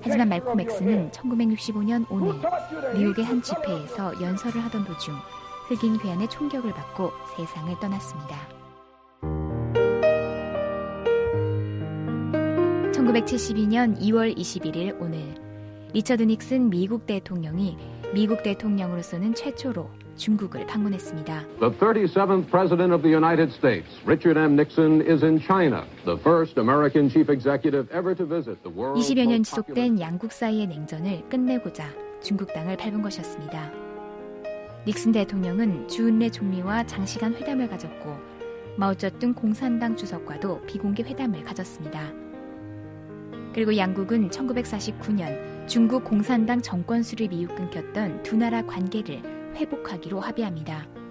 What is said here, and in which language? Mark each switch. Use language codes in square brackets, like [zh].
[ko] 하지만 말콤 X는 1965년 오늘 뉴욕의 한 집회에서 연설을 하던 도중 흑인 괴한의 총격을 받고 세상을 떠났습니다. 1972년 2월 21일 오늘 리처드 닉슨 미국 대통령이 미국 대통령으로서는 최초로 중국을 방문했습니다. [en] The 37th President of the United States, Richard M. Nixon, is in China. The first American chief executive ever to visit the world. [ko] 20여 년 지속된 양국 사이의 냉전을 끝내고자 중국 땅을 밟은 것이었습니다. 닉슨 대통령은 주은래 총리와 장시간 회담을 가졌고 마오쩌둥 공산당 주석과도 비공개 회담을 가졌습니다. 그리고 양국은 1949년 중국 공산당 정권 수립 이후 끊겼던 두 나라 관계를 회복하기로 합의합니다.